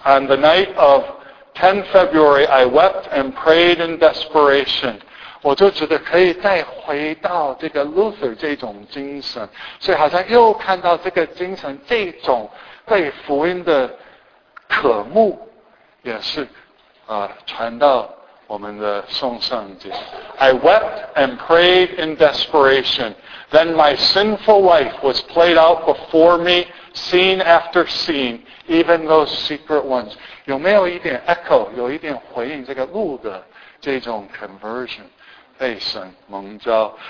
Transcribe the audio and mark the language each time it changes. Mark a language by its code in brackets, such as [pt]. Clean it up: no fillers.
[en] On the night of 10 February I wept and prayed in desperation. [zh] 我就觉得可以再回到这个 Luther 这种精神，所以好像又看到这个精神，这种被福音的渴慕也是传到我们的颂圣经。 [en] I wept and prayed in desperation. Then my sinful life was played out before me, scene after scene, even those secret ones. [zh] 有没有一点 echo， 有一点回应这个路的这种 conversion，被神蒙召。